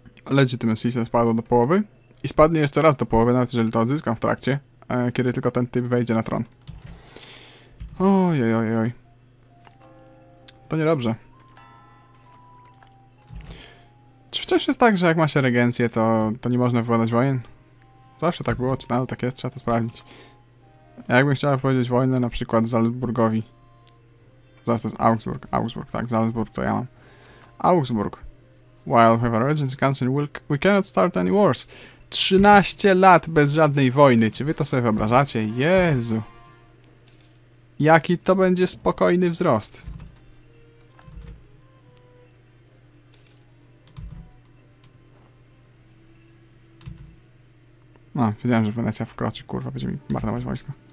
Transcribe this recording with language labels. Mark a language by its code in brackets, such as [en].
[pl] Legitimacy spadło do połowy i spadnie jeszcze raz do połowy, nawet jeżeli to odzyskam w trakcie, kiedy tylko ten typ wejdzie na tron. Oj. To niedobrze. Czy wciąż jest tak, że jak ma się regencję, to nie można wypowiadać wojen? Zawsze tak było, czy nadal tak jest, trzeba to sprawdzić. Jakbym chciał wypowiedzieć wojnę na przykład Salzburgowi. Zaraz to jest Augsburg, tak, Salzburg to ja mam. Augsburg. [en] While we have a regency council, we cannot start any wars. [pl] 13 lat bez żadnej wojny. Czy wy to sobie wyobrażacie? Jezu. Jaki to będzie spokojny wzrost. No, wiedziałem, że Wenecja wkroczy, kurwa, będzie mi marnować wojsko.